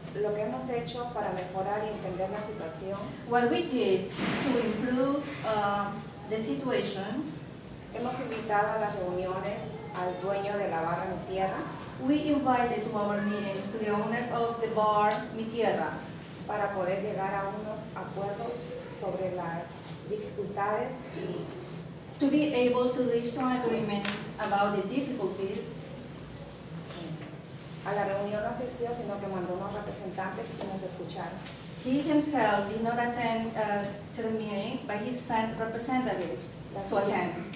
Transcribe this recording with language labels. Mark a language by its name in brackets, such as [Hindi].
[Spanish] lo que hemos hecho para mejorar y entender la situación. [English] What we did to improve the situation. [Spanish] Hemos invitado a las reuniones al dueño de la barra Mi Tierra. [English] We invited to our meetings to the owner of the bar, Mi Tierra. [Spanish] Para poder llegar a unos acuerdos sobre las dificultades. [English] To be able to reach an agreement about the difficulties. [Spanish] A la reunión no asistió, sino que mandó unos representantes y nos escucharon. [English] He himself did not attend to the meeting, but he sent representatives to attend.